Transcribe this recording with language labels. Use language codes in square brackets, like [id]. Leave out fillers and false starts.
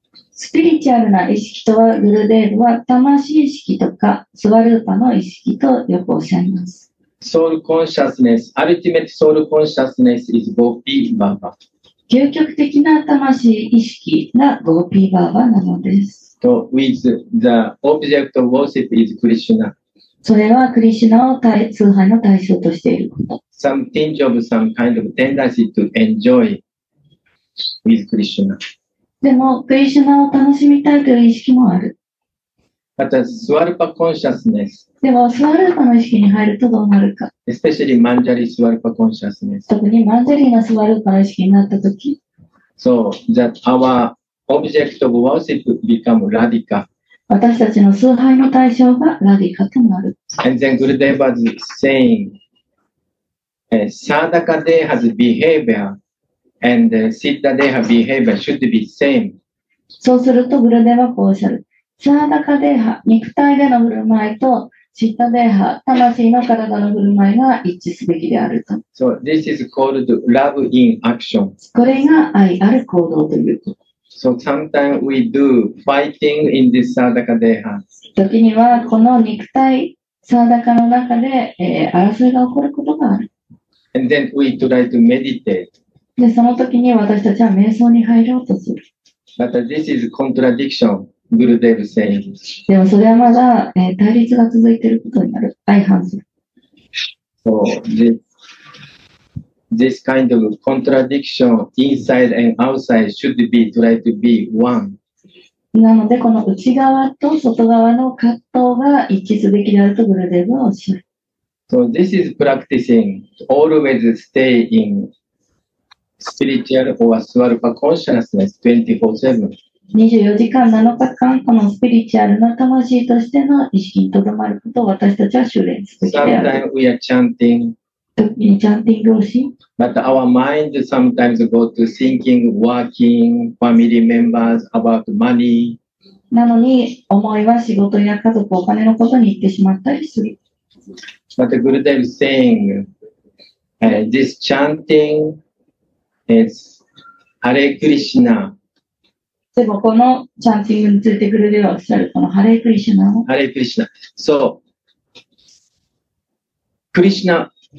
[ja] スピリチュアルな意識とは、グルデーブは、魂意識とか、スワルーパの意識とよくおっしゃいます。 [en] ソウルコンシャスネス、アルティメットソウルコンシャスネス is ゴーピーバーバー。 [ja] 究極的な魂意識がゴーピーバーバーなのです。 [en] と、with the object of worship is Krishna。 [ja] それは、クリシュナを崇拝の対象としていること。 [en] Some tinge of some kind of tendency to enjoy with Krishna. [ja] でも、クリシュナを楽しみたいという意識もある。また、スワルパコンシャスネス。でも、スワルパの意識に入るとどうなるか。 [en] Especially マンジャリスワルパコンシャスネス。 [ja] 特にマンジャリがスワルパの意識になったとき。 [en] So, that our object of worship become radical. [ja] 私たちの崇拝の対象がラディカとなる。 [en] And then Gurudev was saying, Sadaka Deha's behavior,And Siddha Deha behavior should be same. [ja] そうすると、グルデーブはこうおっしゃる。サーダカデーハ、肉体での振る舞いと、シッダデーハ、魂の体の振る舞いが一致すべきであると。 [en] So this is called love in action. [ja] これが愛ある行動ということ。 [en] So sometimes we do fighting in this サーダカデーハ。 [ja] 時には、この肉体、サーダカの中で、争いが起こることがある。 [en] And then we try to meditate. [ja] でその時に私たちは瞑想に入ろうとする。 [en] But this is contradiction, Gurudev saying. [ja] でもそれはまだ、対立が続いていることになる。相反する。 [en] So this kind of contradiction inside and outside should be try to be one. [ja] なのでこの内側と外側の葛藤が一致すべきであるとグルデーブはおっしゃる。 [en] So this is practicing always stay in spiritual or swarupa consciousness 24/7. 24 [ja] 時間7日間このスピリチュアルな魂としての意識にとどまることを私たちは修練する。 [en] Sometimes we are chanting. [ja] にチャンティングをし、 [en] But our mind sometimes go to thinking, working, family members about money. [ja] なのに思いは仕事や家族、お金のことに行ってしまったりする。 [en] But Gurudev is saying, this chanting is Hare Krishna. [ja] でもこのチャンティングについてグルデヴはおっしゃるこの Hare Krishna を。 [en] Hare Krishna. So, Krishna.